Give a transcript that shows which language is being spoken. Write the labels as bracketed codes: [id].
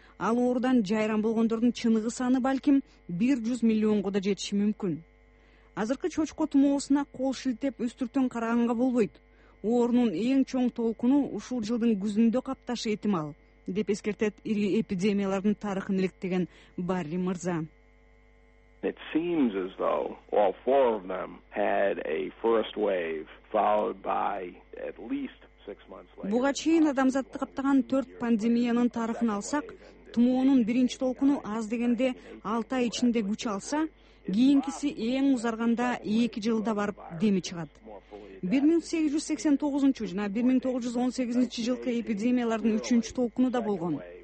[ky] Ал оорудан жайран болгондордун чыныгы саны балким 100 миллионго да жетиши мүмкүн. Азыркы чочко тумоосуна кол шилтеп үстүртөн караганга болбойт. Оорунун эң чоң толкуну ушул жылдын күзүндө капташы этимал, деп эскертет ири эпидемиялардын тарыхын иликтеген Барри мырза. [en] It seems as though all four of them had a first wave followed by at least [ky] буга чейин адамзатты каптаган 4 пандемиянын тарыхын алсак, тумоонун биринчи толкуну аз дегенде 6 ай ичинде күч алса, кийинкиси эң узарганда 2 жылда барып деми чыгат. 1889 жана 1918 жылкы эпидемиялардын 3-чү толкуну да болгон.